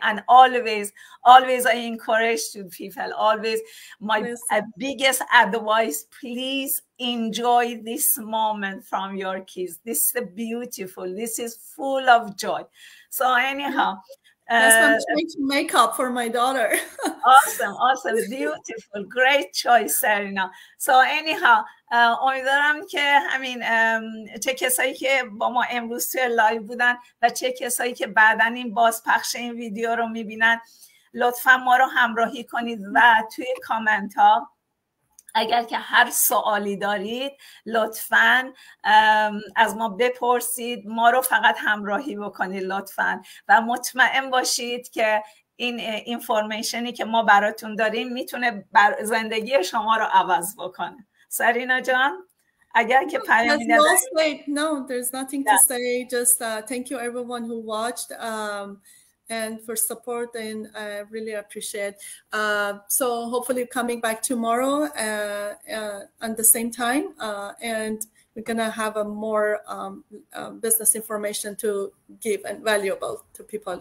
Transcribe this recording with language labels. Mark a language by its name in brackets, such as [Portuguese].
[English] And always, always I encourage to people, always my biggest advice, please enjoy this moment from your kids. This is beautiful. This is full of joy. So anyhow. Yes, I'm trying to make up for my daughter. Awesome, awesome, beautiful, great choice, Serena. So anyhow, [Persian] امیدوارم که همین چه کسایی که با ما امروز توی لایو بودن و چه کسایی که بعداً این بازپخش این ویدیو رو میبینن، لطفاً ما رو همراهی کنید و توی کامنت ها اگر که هر سوالی دارید لطفاً از ما بپرسید، ما رو فقط همراهی بکنید لطفاً، و مطمئن باشید که این اینفورمیشنی که ما براتون داریم میتونه بر زندگی شما رو عوض بکنه. سرینا جان اگر که پیامی ندارید. [English] No, there's nothing to say, just thank you everyone who watched and for support, and I really appreciate. So hopefully coming back tomorrow on the same time, and we're gonna have a more business information to give and valuable to people.